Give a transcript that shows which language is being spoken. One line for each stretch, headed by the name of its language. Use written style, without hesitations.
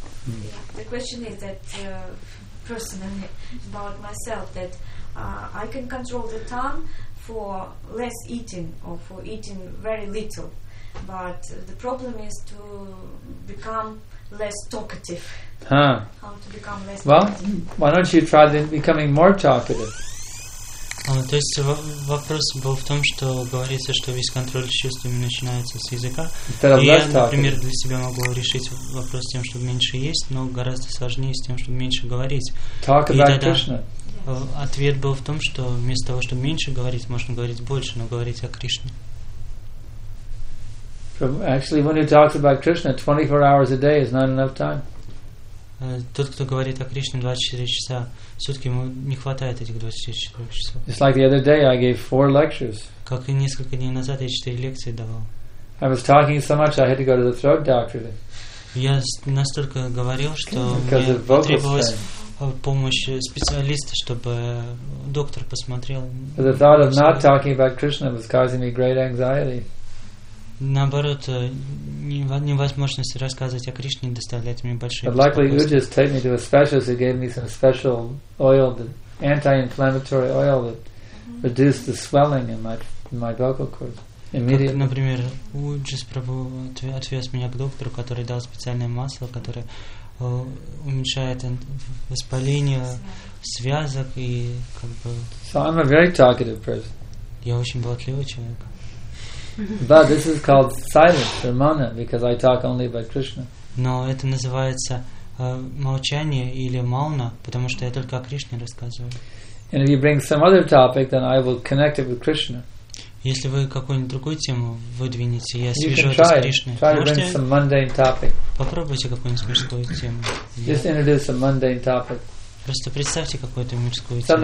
English: And the question is that personally about myself that I can control the tongue for less eating or for eating very little, but the problem is to become less talkative. Huh. How to become less talkative? Well, why don't you try then becoming more talkative?
Russian: То есть вопрос был в том, что говорится, что весь контроль чувств начинается с языка. И я, например, для себя могу решить вопрос с тем, чтобы меньше есть, но гораздо сложнее с тем, чтобы меньше говорить.
English: Talk
Russian: и
English: about
Russian: тогда ответ был в том, что вместо того, чтобы меньше говорить, можно говорить больше, но говорить о Кришне.
English: Actually, when he talks about Krishna, 24 hours a day is not enough time.
Russian: Тот, кто говорит о Кришне 24 часа в сутки, ему не хватает этих 24 часов.
English: It's like the other day I gave 4 lectures.
Russian: Как и несколько дней назад я 4 лекции давал.
English: I was talking so much I had to go to the throat doctor.
Russian: Я настолько говорил, что мне потребовалась помощь специалиста, чтобы доктор посмотрел.
English: But the thought of not talking about Krishna was causing me great anxiety.
Russian: Наоборот, невозможность рассказывать о Кришне доставляет мне большие беспокойства.
English: But luckily, Ujjas take me to a specialist who gave me some special oil, the anti-inflammatory oil that reduced the swelling in my vocal cords immediately.
Russian: Как, например, Ujjas отвез меня к доктору, который дал специальное масло, которое уменьшает воспаление связок и как бы.
English: So I'm a very talkative person.
Russian: Я очень болтливый человек.
English: But this is called silence, Ramana, because I talk only about Krishna.
Russian: Но это называется молчание или мауна, потому что я только о Кришне рассказываю.
English: And if you bring some other topic, then I will connect it with Krishna.
Russian: Если вы какую-нибудь другую тему выдвинете, я свяжу это с Кришной.
English: Try to bring some mundane topic.
Russian: Попробуйте какую-нибудь мирскую тему.
English: Just introduce a mundane topic.
Russian: Просто представьте какую-то мирскую тему.